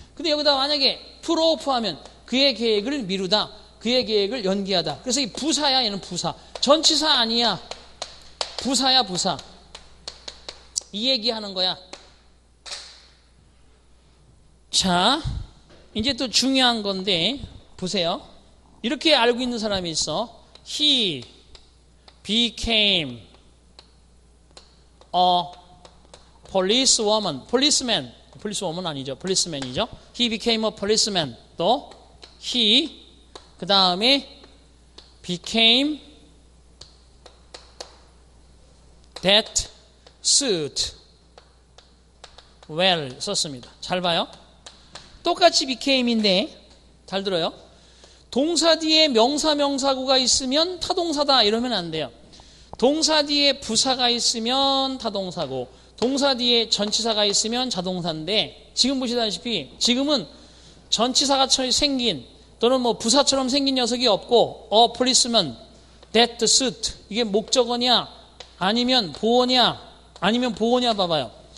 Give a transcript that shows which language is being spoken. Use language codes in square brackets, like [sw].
[ko] 근데 여기다 만약에 put off 하면 그의 계획을 미루다 그의 계획을 연기하다. 그래서 이 부사야. 얘는 부사 전치사 아니야. 부사야. 부사 이 얘기하는 거야. 자, 이제 또 중요한 건데 보세요. 이렇게 알고 있는 사람이 있어. [en] He became a policewoman. Policeman. [ko] Policewoman 아니죠. Policeman이죠. [en] He became a policeman. [ko] 또 he 그 다음에 [en] became that suit well [ko] 썼습니다. 잘 봐요. 똑같이 became인데 잘 들어요. 동사 뒤에 명사 명사구가 있으면 타동사다 이러면 안 돼요. 동사 뒤에 부사가 있으면 타동사고 동사 뒤에 전치사가 있으면 자동사인데 지금 보시다시피 지금은 전치사가 생긴 또는 뭐 부사처럼 생긴 녀석이 없고 a policeman, that suit 이게 목적어냐 아니면 보호냐 아니면 보호냐 봐봐요.